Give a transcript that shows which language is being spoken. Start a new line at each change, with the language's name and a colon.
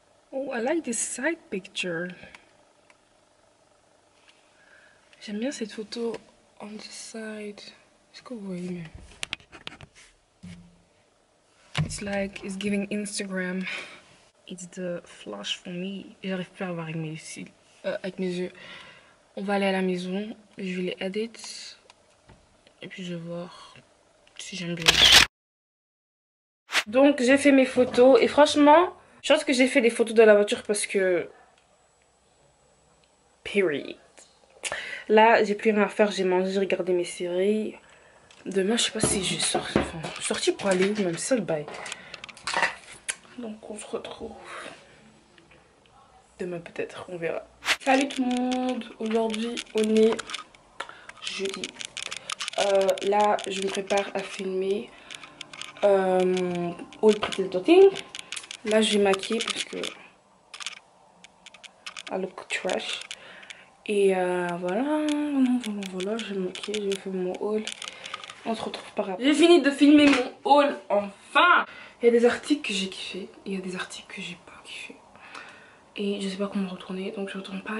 English: Oh, I like this side picture.
French: J'aime bien cette photo
English: on the side.
French: Est-ce que vous voyez mieux?
English: It's like it's giving Instagram. It's the flash for me.
French: J'arrive plus à voir avec mes cils, avec mes yeux. On va aller à la maison. Je vais les edit et puis je vais voir si j'aime bien. Donc j'ai fait mes photos et franchement, je pense que j'ai fait des photos de la voiture parce que period. Là, j'ai plus rien à faire. J'ai mangé, j'ai regardé mes séries. Demain, je sais pas si je sors. Enfin, je suis sortie pour aller, même seul, bye. Donc, on se retrouve. Demain, peut-être, on verra. Salut tout le monde. Aujourd'hui, on est jeudi. Là, je me prépare à filmer.
English: All pretty little thing.
French: Là, je vais maquiller parce que.
English: I look trash.
French: Et voilà. Voilà, je vais maquiller, je vais faire mon haul. On se retrouve par après. J'ai fini de filmer mon haul, enfin. Il y a des articles que j'ai kiffé. Il y a des articles que j'ai pas kiffé. Et je sais pas comment retourner. Donc je retourne pas.